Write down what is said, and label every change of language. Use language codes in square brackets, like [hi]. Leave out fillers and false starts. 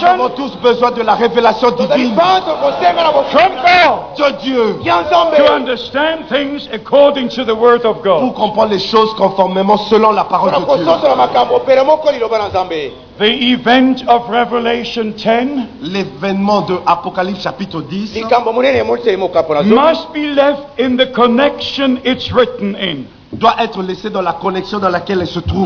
[fr] Nous avons tous besoin de la révélation divine. [en] From God. [fr] De Dieu. [en] To understand things according to the word of God. [fr] Pour comprendre les choses conformément selon la parole de Dieu. [en] The event of Revelation 10, [fr] l'événement de Apocalypse chapitre 10, [en] must be left in the connection it's written in. [fr] Doit être laissé dans la connexion dans laquelle elle se trouve.